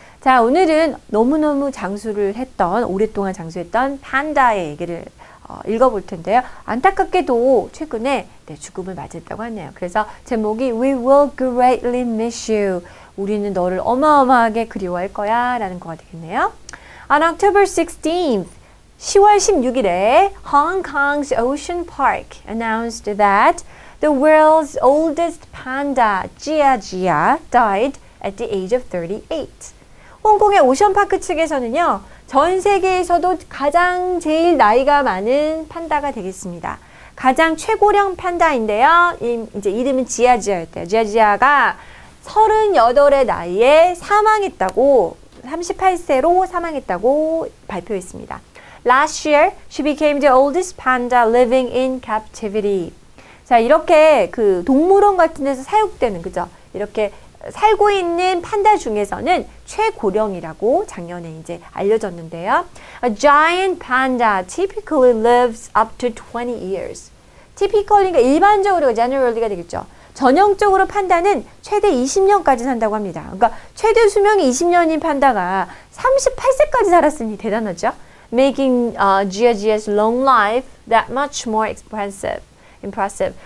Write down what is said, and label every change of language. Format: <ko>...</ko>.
<ko>자, 오늘은 너무너무 장수를 했던, 오랫동안 장수했던 판다의 얘기를 읽어볼 텐데요. 안타깝게도 최근에 죽음을 맞았다고 하네요. 그래서 제목이</ko> <en>We will greatly miss you.</en> <ko>우리는 너를 어마어마하게 그리워할 거야 라는 거가 되겠네요.</ko> <en>On October 16th,</en> <ko>10월 16일에</ko> <en>Hong Kong's Ocean Park announced that the world's oldest panda, Jia Jia, died at the age of 38.</en> <ko>홍콩의 오션파크 측에서는요, 전 세계에서도 가장 제일 나이가 많은 판다가 되겠습니다. 가장 최고령 판다인데요, 이제 이름은 Jia Jia였대요. Jia Jia가 38의 나이에 사망했다고, 38세로 사망했다고 발표했습니다.</ko> <en>Last year, she became the oldest panda living in captivity.</en> <ko>자, 이렇게 그 동물원 같은 데서 사육되는, 그죠? 이렇게 살고 있는 판다 중에서는 최고령이라고 작년에 이제 알려졌는데요.</ko> <en>A giant panda typically lives up to 20 years.</en> <ko>Typically가 일반적으로 generally가 되겠죠. 전형적으로 판다는 최대 20년까지 산다고 합니다. 그러니까 최대 수명이 20년인 판다가 38세까지 살았으니 대단하죠?</ko> <en>Making Jia Jia's long life that much more impressive.</en>